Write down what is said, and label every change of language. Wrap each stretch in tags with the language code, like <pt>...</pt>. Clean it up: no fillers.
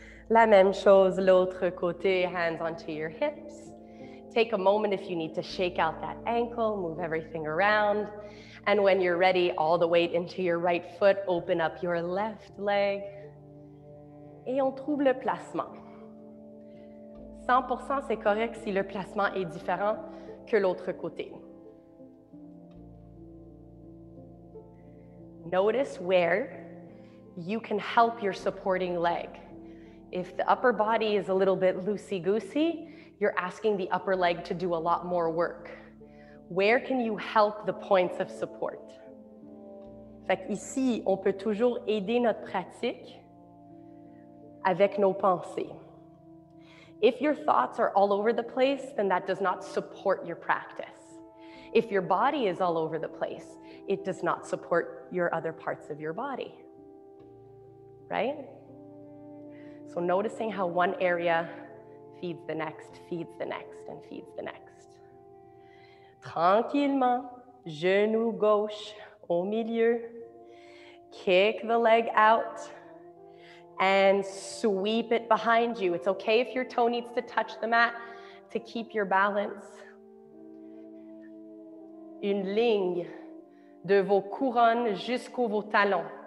<fr>La même chose, l'autre côté.</fr> <en>Hands onto your hips. Take a moment if you need to shake out that ankle, move everything around. And when you're ready, all the weight into your right foot, open up your left leg.</en> <fr>Et on trouve le placement. 100% c'est correct si le placement est différent que l'autre côté.</fr> <en>Notice where you can help your supporting leg. If the upper body is a little bit loosey-goosey, you're asking the upper leg to do a lot more work. Where can you help the points of support?</en> <fr>Fait qu'ici, on peut toujours aider notre pratique avec nos pensées.</fr> <en>If your thoughts are all over the place, then that does not support your practice. If your body is all over the place, it does not support your other parts of your body, right? So noticing how one area feeds the next, feeds the next, and feeds the next.</en> <fr>Tranquillement, genou gauche au milieu.</fr> <en>Kick the leg out and sweep it behind you. It's okay if your toe needs to touch the mat to keep your balance.</en> <fr>Une ligne de vos couronnes jusqu'aux vos talons.</fr>